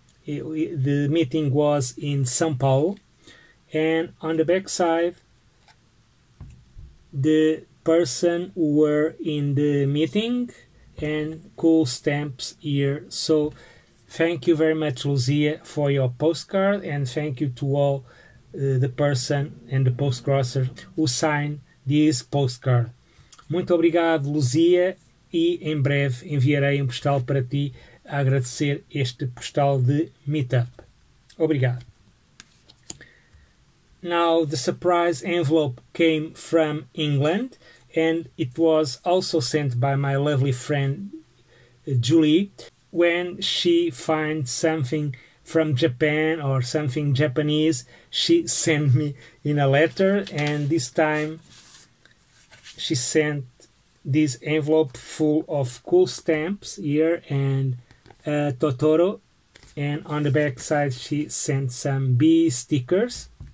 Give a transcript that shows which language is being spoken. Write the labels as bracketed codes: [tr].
[en] The meeting was in São Paulo. And on the back side, the person who were in the meeting and cool stamps here. So thank you very much, Luzia, for your postcard, and thank you to all the person and the postcrosser who signed this postcard. [pt] Muito obrigado, Luzia, e em breve enviarei um postal para ti a agradecer este postal de meetup. Obrigado. [en] Now, the surprise envelope came from England and it was also sent by my lovely friend Julie when she finds something from Japan or something Japanese, she sent me in a letter, and this time she sent this envelope full of cool stamps here and Totoro, and on the back side she sent some bee stickers.